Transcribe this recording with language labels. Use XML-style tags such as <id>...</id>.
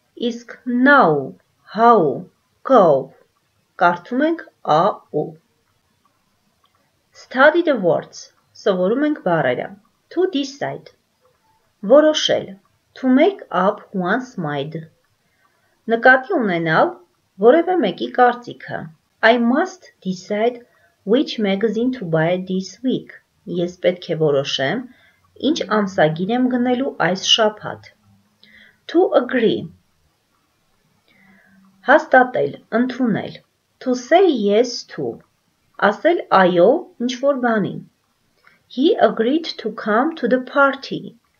<hy>Իսկ</hy> <en>now, how, go</en> <hy>կարդում ենք</hy> <en>A, U. Study the words.</en> <hy>Սովորում ենք բառերը.</hy> <en>To decide.</en> <hy>Որոշել.</hy> <en>To make up one's mind.</en> <hy>Նկատի ունենալ որևէ մեկի կարծիքը.</hy> <en>I must decide which magazine to buy this week.</en> <hy>Ես պետք է որոշեմ, ինչ ամսագիր եմ գնելու այս շաբաթ.</hy> <en>To agree.</en> <hy>Հաստատել, ընդունել.</hy> <en>To say yes to.</en> <hy>Ասել այո ինչ-որ բանին.</hy> <en>He agreed to come to the party.</en>